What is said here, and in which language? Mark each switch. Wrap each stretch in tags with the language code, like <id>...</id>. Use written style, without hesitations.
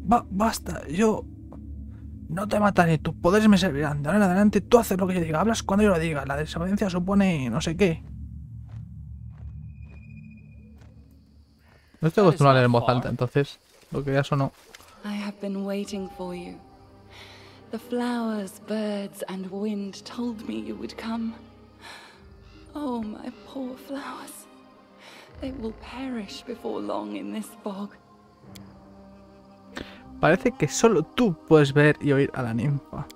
<es>Basta, yo... No te mataré, tus poderes me servirán. De ahora en adelante tú haces lo que yo diga. Hablas cuando yo lo diga. La desobediencia supone no sé qué. No estoy acostumbrado a leer en voz alta, entonces, lo que creas o no.</es> <en>I have been waiting for you. The flowers, birds, and wind told me you would come. Oh, my poor flowers. They will perish before long in this bog.</en> <es>Parece que solo tú puedes ver y oír a la ninfa.</es>